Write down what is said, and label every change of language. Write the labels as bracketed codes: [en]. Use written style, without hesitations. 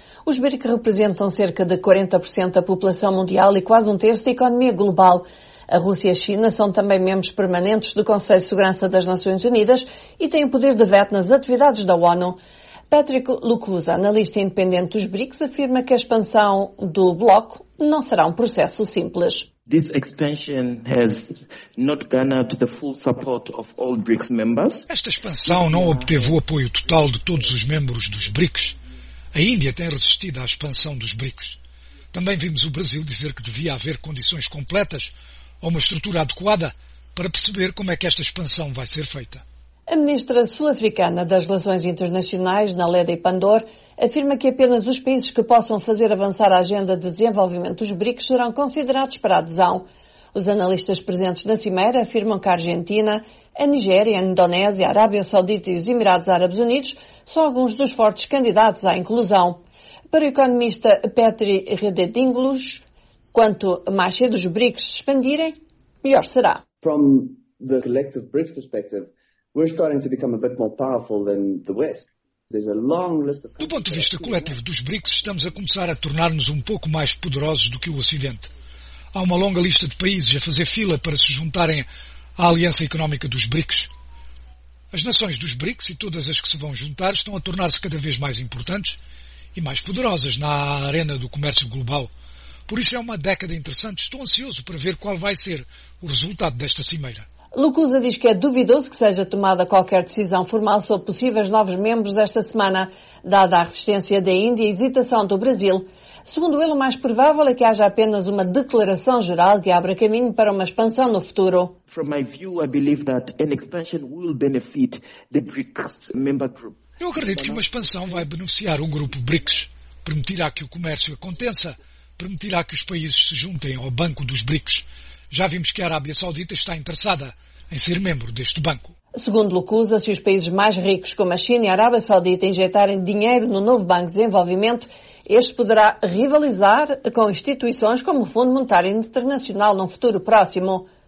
[pt] Os BRICS representam cerca de 40% da população mundial e quase um terço da economia global. A Rússia e a China são também membros permanentes do Conselho de Segurança das Nações Unidas e têm o poder de veto nas atividades da ONU. Patrick Lukusa, analista independente dos BRICS, afirma que a expansão do bloco não será um processo simples. [en] This expansion has not garnered the full support of all BRICS members. [pt] Esta expansão não obteve o apoio total de todos os membros dos BRICS. A Índia tem resistido à expansão dos BRICS. Também vimos o Brasil dizer que devia haver condições completas ou uma estrutura adequada para perceber como é que esta expansão vai ser feita. A ministra sul-africana das Relações Internacionais, Naledi Pandor, afirma que apenas os países que possam fazer avançar a agenda de desenvolvimento dos BRICS serão considerados para adesão. Os analistas presentes na Cimeira afirmam que a Argentina, a Nigéria, a Indonésia, a Arábia Saudita e os Emirados Árabes Unidos são alguns dos fortes candidatos à inclusão. Para o economista Petri Redetinglos, quanto mais cedo os BRICS se expandirem, melhor será. [en] From the collective BRICS perspective, we're starting to become a bit more powerful than the West. [pt] Do ponto de vista coletivo dos BRICS, estamos a começar a tornar-nos um pouco mais poderosos do que o Ocidente. Há uma longa lista de países a fazer fila para se juntarem à Aliança Económica dos BRICS. As nações dos BRICS e todas as que se vão juntar estão a tornar-se cada vez mais importantes e mais poderosas na arena do comércio global. Por isso é uma década interessante. Estou ansioso para ver qual vai ser o resultado desta cimeira. Lukusa diz que é duvidoso que seja tomada qualquer decisão formal sobre possíveis novos membros esta semana, dada a resistência da Índia e a hesitação do Brasil. Segundo ele, o mais provável é que haja apenas uma declaração geral que abra caminho para uma expansão no futuro. [en] From my view, I believe that an expansion will benefit the BRICS member group. [pt] Eu acredito que uma expansão vai beneficiar o grupo BRICS. Permitirá que o comércio aconteça, permitirá que os países se juntem ao Banco dos BRICS. Já vimos que a Arábia Saudita está interessada em ser membro deste banco. Segundo Lukusa, se os países mais ricos, como a China e a Arábia Saudita, injetarem dinheiro no novo Banco de Desenvolvimento, este poderá rivalizar com instituições como o Fundo Monetário Internacional num futuro próximo.